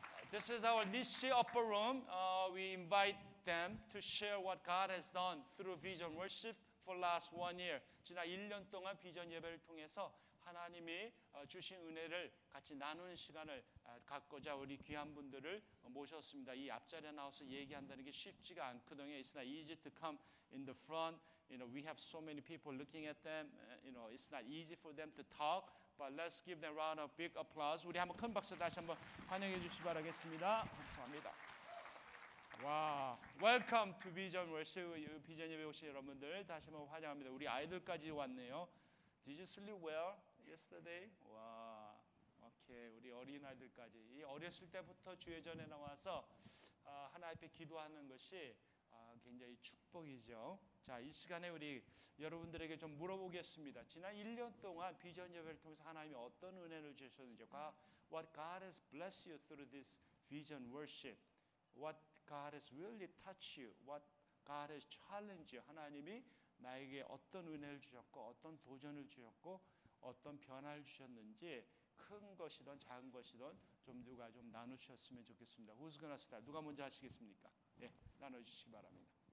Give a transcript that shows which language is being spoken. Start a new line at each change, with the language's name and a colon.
English: This is our Nishi upper room. We invite them to share what God has done through vision worship for last one year.
Korean: 지난 1년 동안 비전 예배를 통해서 하나님이 주신 은혜를 같이 나누는 시간을 갖고자 우리 귀한 분들을 모셨습니다. 이 앞자리에 나와서 얘기한다는 게 쉽지가 않거든요.
English: It's not easy to come in the front. You know, we have so many people looking at them. You know, it's not easy for them to talk. But let's give them a round of big applause.
Korean: 우리 한번 큰 박수 다시 한번 환영해 주시기 바라겠습니다. 감사합니다.
English: 와, welcome to Vision Worship.
Korean: 비전 예배 오신 여러분들 다시 한번 환영합니다. 우리 아이들까지 왔네요.
English: Did you sleep well yesterday? 와, 오케이.
Korean: 우리 어린 아이들까지. 이 어렸을 때부터 주의 전에 나와서 하나 앞에 기도하는 것이 굉장히 축복이죠. 자, 이 시간에 우리 여러분들에게 좀 물어보겠습니다. 지난 1년 동안 비전 예배를 통해서 하나님이 어떤 은혜를 주셨는지.
English: What God has blessed you through this vision worship? What God has really touched you? What God has challenged you?
Korean: 하나님이 나에게 어떤 은혜를 주셨고 어떤 도전을 주셨고 어떤 변화를 주셨는지 큰 것이든 작은 것이든 좀 누가 좀 나누셨으면 좋겠습니다.
English: Who's gonna start?
Korean: 누가 먼저 하시겠습니까? 네, 나눠주시기 바랍니다.